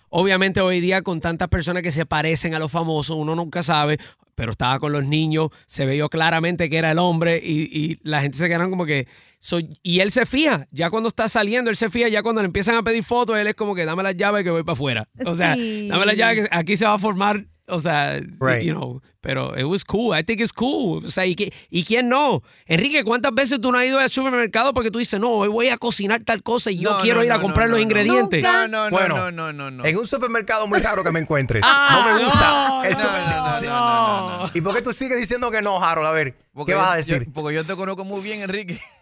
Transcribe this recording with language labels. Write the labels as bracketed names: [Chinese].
[Spanish] Obviamente hoy día con tantas personas que se parecen a los famosos, uno nunca sabe, pero estaba con los niños, se vio claramente que era el hombre y la gente se quedaron como que... y él se fija, ya cuando está saliendo, él se fija, ya cuando le empiezan a pedir fotos, él es como que dame la llave que voy para afuera. O sea, sí. Dame la llave que aquí se va a formar, o sea, [English] right. You know. [Spanish] Pero [English] it was cool, I think it's cool. [Spanish] O sea, ¿y quién no? Enrique, ¿cuántas veces tú no has ido al supermercado porque tú dices, no, hoy voy a cocinar tal cosa y yo quiero ir a comprar los ingredientes? ¿Nunca? No. En un supermercado muy raro que me encuentres. Ah, no me gusta. No. ¿Y por qué tú sigues diciendo que no, Harold? A ver, porque ¿qué vas a decir? Porque yo te conozco muy bien, Enrique.